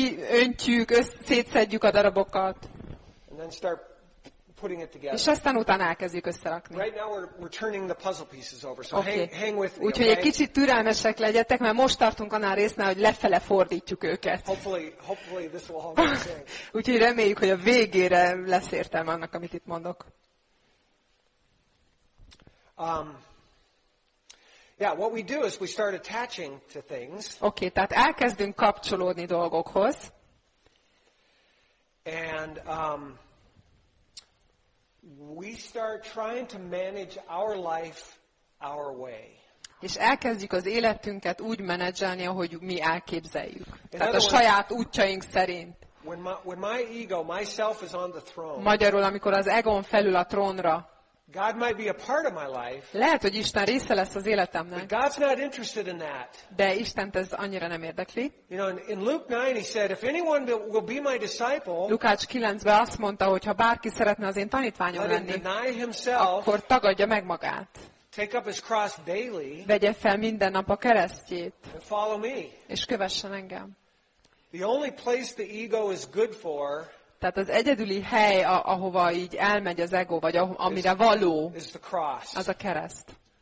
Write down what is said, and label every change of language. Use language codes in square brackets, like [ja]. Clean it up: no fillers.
[hu] öntjük, szétszedjük a darabokat. [en] And then start putting it together. [hu] És aztán utána elkezdjük összerakni. [en] Right now we're turning the puzzle pieces over, so okay. hang with me. [hu] Úgyhogy egy kicsit türelmesek legyetek, mert most tartunk annál résznél, hogy lefele fordítjuk őket. [en] Hopefully this will all be saved. [hu] Úgyhogy reméljük, hogy a végére lesz értelme annak, amit itt mondok. [en] What we do is we start attaching to things. [hu] Okay, tehát elkezdünk kapcsolódni dolgokhoz. [en] And we start trying to manage our life our way. [hu] És elkezdjük az életünket úgy menedzselni, ahogy mi elképzeljük. Tehát a saját útjaink szerint. [en] When my ego, myself is on the throne. [hu] Magyarul, amikor az egón felül a trónra. [en] God might be a part of my life. [hu] Lehet, hogy Isten része lesz az életemnek. [en] But God's not interested in that. [hu] De Istent ez annyira nem érdekli. [en] You know, in Luke 9 he said if anyone will be my disciple. [hu] Lukács 9-ben azt mondta, hogy ha bárki szeretne az én tanítványom lenni, [en] deny himself, [hu] akkor tagadja meg magát. [en] Take up his cross daily. [hu] Vegye fel minden nap a keresztjét. [en] And follow me. [hu] És kövessen engem. [en] The only place the ego is good for. [hu] Tehát az egyedüli hely, ahova így elmegy az ego, vagy amire való, az a kereszt.